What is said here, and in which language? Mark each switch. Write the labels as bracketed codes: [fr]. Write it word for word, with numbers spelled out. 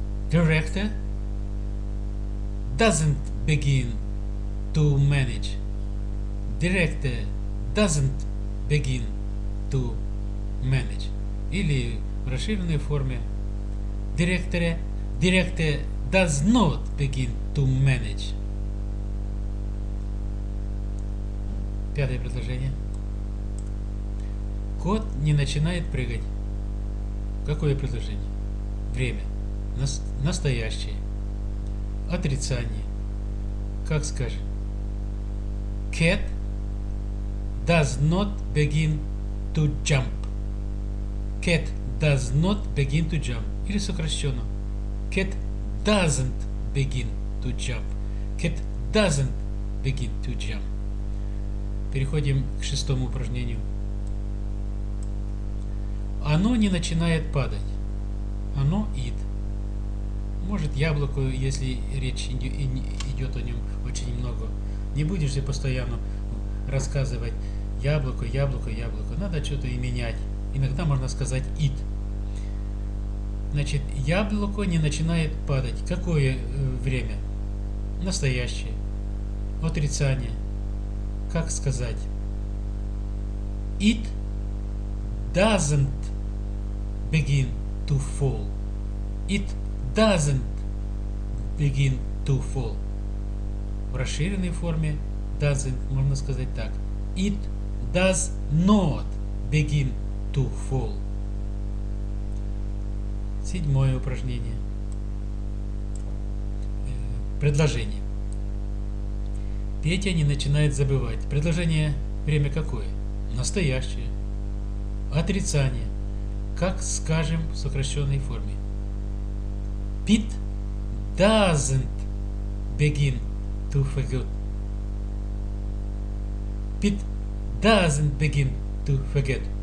[en] Director doesn't begin to manage. Director doesn't begin to manage. [ru] Или в расширенной форме. [en] Director, director does not begin to manage. [ru] Пятое предложение. Кот не начинает прыгать. Какое предложение? Время. Нас, настоящее. Отрицание. Как скажем? [en] Cat does not begin to jump. Cat does not begin to jump. [ru] Или сокращенно. [en] Cat doesn't begin to jump. Cat doesn't begin to jump. [ru] Переходим к шестому упражнению. Оно не начинает падать. Оно it. Может, яблоко, если речь идет о нем очень много. Не будешь же постоянно рассказывать яблоко, яблоко, яблоко. Надо что-то и менять. Иногда можно сказать it. Значит, яблоко не начинает падать. Какое время? Настоящее. Отрицание. Как сказать? [en] It doesn't begin to fall. It doesn't begin to fall. [ru] В расширенной форме doesn't можно сказать так. [en] It does not begin to fall. [ru] Седьмое упражнение. Предложение. Петя не начинает забывать. Предложение время какое? Настоящее. Отрицание. Как скажем в сокращенной форме. [en] Pete doesn't begin to forget. Pete doesn't begin to forget.